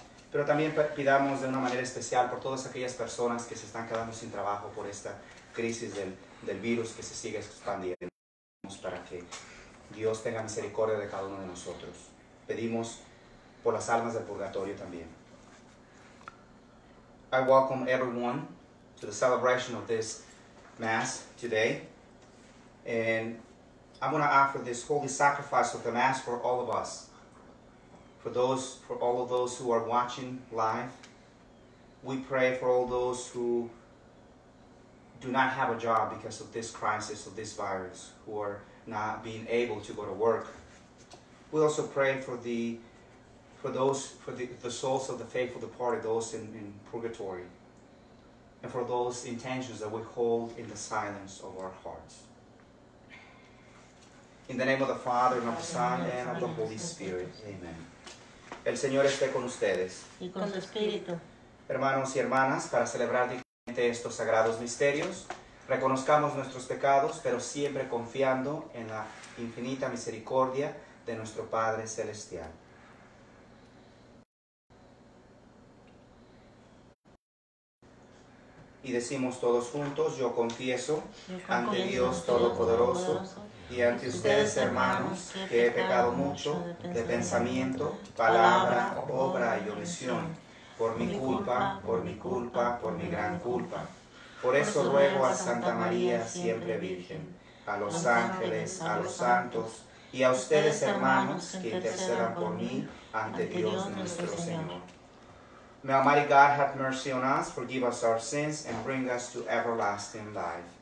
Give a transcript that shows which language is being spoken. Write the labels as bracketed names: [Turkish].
[Spanish] Pero también pidamos de una manera especial por todas aquellas personas que se están quedando sin trabajo por esta crisis del virus que se sigue expandiendo, para que Dios tenga misericordia de cada uno de nosotros. Pedimos por las almas del purgatorio también. [English] I welcome everyone to the celebration of this Mass today. And I'm going to offer this holy sacrifice of the Mass for all of us. For all of those who are watching live. We pray for all those who do not have a job because of this crisis, of this virus, who are not being able to go to work. We also pray for the souls of the faithful departed, those in purgatory, and for those intentions that we hold in the silence of our hearts. In the name of the Father, and of the Son, and of the Holy Spirit. [Spanish] Amen. El Señor esté con ustedes. Y con su espíritu. Hermanos y hermanas, para celebrar dignamente estos sagrados misterios, reconozcamos nuestros pecados, pero siempre confiando en la infinita misericordia de nuestro Padre Celestial. Y decimos todos juntos, yo confieso ante Dios Todopoderoso y ante ustedes, hermanos, que he pecado mucho de pensamiento, palabra, obra y omisión, por mi culpa, por mi culpa, por mi gran culpa. Por eso ruego a Santa María, siempre Virgen, a los ángeles, a los santos y a ustedes, hermanos, que intercedan por mí ante Dios nuestro Señor. [English] May Almighty God have mercy on us, forgive us our sins, and bring us to everlasting life.